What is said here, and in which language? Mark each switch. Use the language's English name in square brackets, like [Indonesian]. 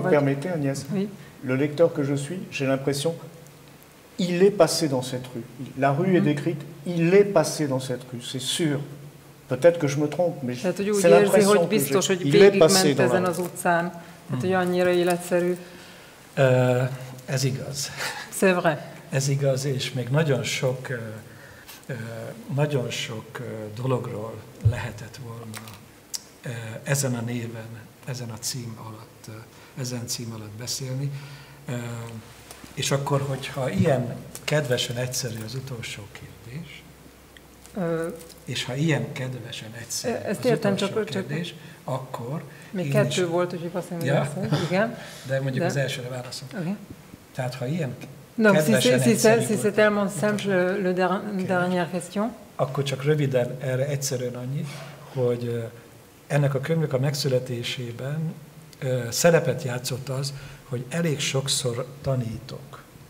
[French] Si vous me permettez, Agnès, le lecteur que je suis, j'ai l'impression, il est passé dans cette rue. La rue est décrite, il est passé dans cette rue, c'est sûr. Peut-être que je me trompe, mais c'est l'impression que j'ai. [Hungarian] Tehát, hogy biztos, hogy végigment ezen az utcán. Tehát, hogy annyira életszerű. Ez igaz. [French] C'est vrai. [Hungarian] Ez igaz, és még nagyon sok dologról lehetett volna ezen a néven, ezen cím alatt beszélni. És akkor, hogyha ilyen kedvesen egyszerű az utolsó kérdés, és ha ilyen kedvesen egyszerű ezt az értem, utolsó csak kérdés, csak... akkor... Még kettő is... volt, hogy hiszem, ja. Igen. De mondjuk az elsőre válaszom. Okay. Tehát, ha ilyen... [French] Donc si c'est tellement simple le dernière question. [Hungarian] Akkor csak röviden erre egyszerűen annyi, hogy ennek a könyvnek a megszületésében szerepet játszott az, hogy elég sokszor tanítok.